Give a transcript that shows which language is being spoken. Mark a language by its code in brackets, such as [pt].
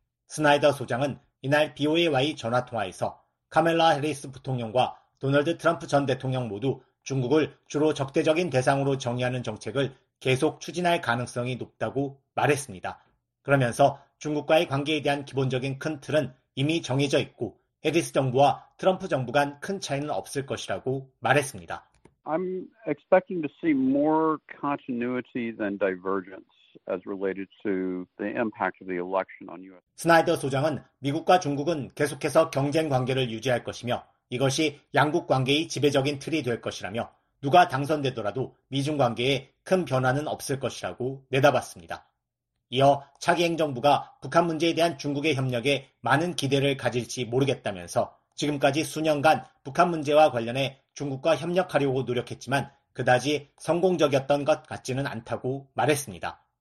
[ko] 스나이더 소장은 이날 BOA와의 전화통화에서 카멀라 해리스 부통령과 도널드 트럼프 전 대통령 모두 중국을 주로 적대적인 대상으로 정의하는 정책을 계속 추진할 가능성이 높다고 말했습니다. 그러면서 중국과의 관계에 대한 기본적인 큰 틀은 이미 정해져 있고 해리스 정부와 트럼프 정부 간 큰 차이는 없을 것이라고 말했습니다. [en] I'm expecting to see more continuity than divergence. As related to the impact of the election on US. [ko] 스나이더 소장은 미국과 중국은 계속해서 경쟁 관계를 유지할 것이며 이것이 양국 관계의 지배적인 틀이 될 것이라며 누가 당선되더라도 미중 관계에 큰 변화는 없을 것이라고 내다봤습니다. 이어 차기 행정부가 북한 문제에 대한 중국의 협력에 많은 기대를 가질지 모르겠다면서 지금까지 수년간 북한 문제와 관련해 중국과 협력하려고 노력했지만 그다지 성공적이었던 것 같지는 않다고 말했습니다.